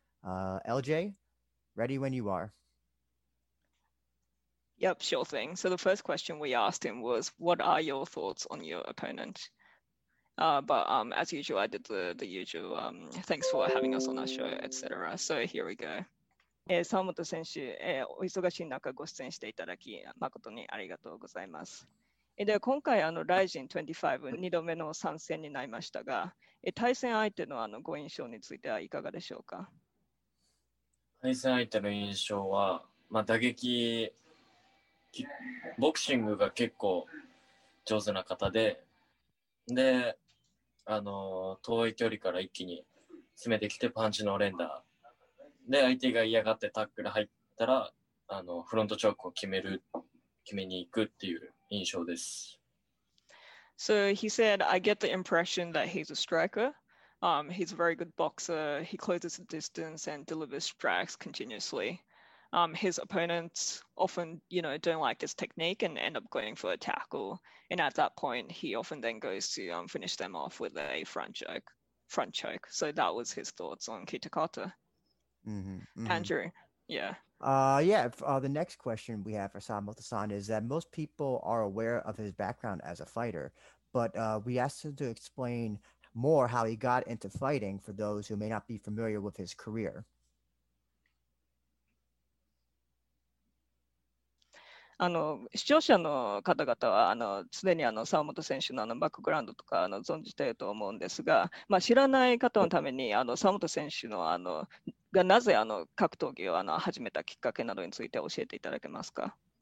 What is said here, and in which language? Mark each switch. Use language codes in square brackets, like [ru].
[en] LJ, ready when you are. Yep, sure thing. So the first question we asked him was, "What are your thoughts on your opponent?" As usual, I did the usual. Thanks for having us on our show, etc. So here we go. [ja] お忙しい中ご出演していただき誠にありがとうございます。で、今回、Rising 25、2度目の参戦になりましたが、対戦相手の、ご印象についてはいかがでしょうか。対戦相手の印象は、打撃、ボクシングが結構上手な方で、で、遠い距離から一気に詰めてきてパンチの連打。で、相手が嫌がってタックル入ったら、フロントチョークを決めに行くっていう印象です。 [en] So he said, "I get the impression that he's a striker. He's a very good boxer. He closes the distance and delivers strikes continuously. His opponents often, don't like his technique and end up going for a tackle. And at that point, he often then goes to finish them off with a front choke. So that was his thoughts on Kitakata. Andrew, yeah. The next question we have for Sawamoto-san is that most people are aware of his background as a fighter, but we asked him to explain more how he got into fighting for those who may not be familiar with his career. [ja] 視聴者の方々は、すでに沢本選手の、バックグラウンドとか、存じていると思うんですが、知らない方のために、沢本選手の、がなぜ、格闘技を、始めたきっかけなどについて教えていただけますか。